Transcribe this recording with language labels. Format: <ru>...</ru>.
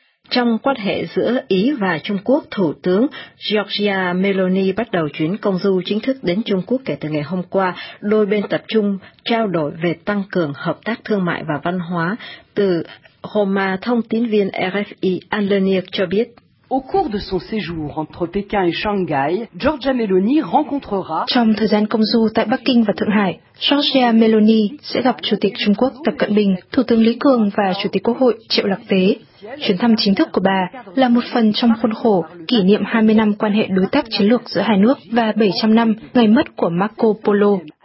<vi>Trong quan hệ giữa Ý và Trung Quốc, Thủ tướng Giorgia Meloni bắt đầu chuyến công du chính thức đến Trung Quốc kể từ ngày hôm qua, đôi bên tập trung trao đổi về tăng cường hợp tác thương mại và văn hóa, từ hôm mà thông tín viên RFI Anlenier cho biết.</vi> <fr>Au cours de son séjour entre Pékin et Shanghai, Giorgia Meloni rencontrera.</fr> <vi>Trong thời gian công du tại Bắc Kinh và Thượng Hải, Giorgia Meloni sẽ gặp Chủ tịch Trung Quốc Tập Cận Bình, Thủ tướng Lý Cường và Chủ tịch Quốc hội Triệu Lạc Tế. Chuyến thăm chính thức của bà là một phần trong khuôn khổ kỷ niệm 20 năm quan hệ đối tác chiến lược giữa hai nước và 700 năm ngày mất của Marco Polo.</vi>